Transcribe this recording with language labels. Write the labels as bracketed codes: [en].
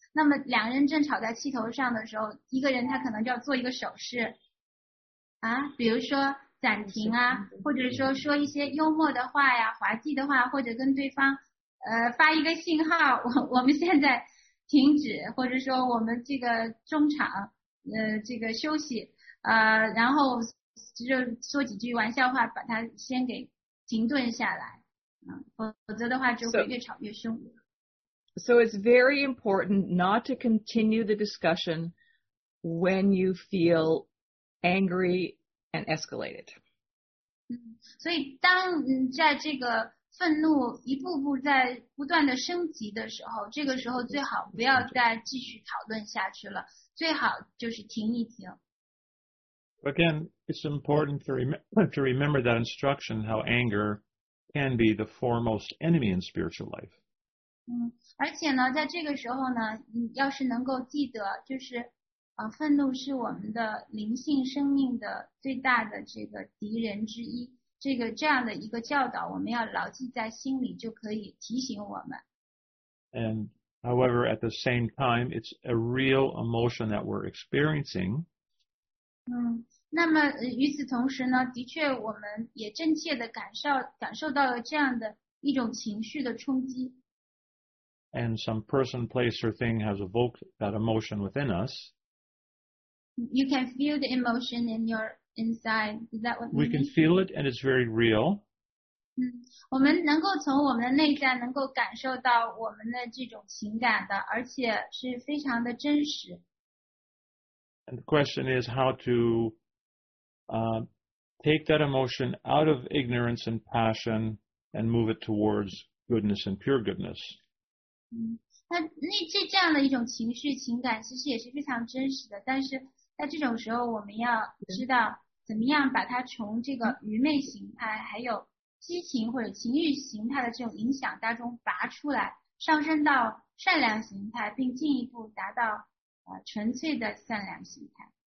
[zh] 那么，两人正吵在气头上的时候，一个人他可能就要做一个手势，比如说暂停啊，或者说一些幽默的话呀、滑稽的话，或者跟对方发一个信号，我们现在停止，或者说我们这个中场这个休息然后就说几句玩笑话把它先给停顿下来否则的话就会越吵越凶。 [en] So it's very important not to continue the discussion when you feel angry and escalated. [zh] 所以当在这个愤怒一步步在不断的升级的时候，这个时候最好不要再继续讨论下去了，最好就是停一停。 [en] Again, it's important to remember that instruction how anger can be the foremost enemy in spiritual life. [zh] 而且呢，在这个时候呢，你要是能够记得，就是愤怒是我们的灵性生命的最大的这个敌人之一。这样的一个教导我们要牢记在心里就可以提醒我们。 [en] And however, at the same time, it's a real emotion that we're experiencing. [zh] 那么与此同时呢，的确我们也真切地感受到了这样的一种情绪的冲击。 [en] And some person, place, or thing has evoked that emotion within us. You can feel the emotion in your...inside, is that what we can feel it and it's very real. [zh] 我们能够从我们的内在能够感受到我们的这种情感的，而且是非常的真实。 [en] And the question is how to take that emotion out of ignorance and passion and move it towards goodness and pure goodness. [zh] 那这样的一种情绪情感其实也是非常真实的，但是在这种时候我们要知道怎么样把它从这个愚昧形态还有激情或者情欲形态的这种影响当中拔出来，上升到善良形态，并进一步达到纯粹的善良形态。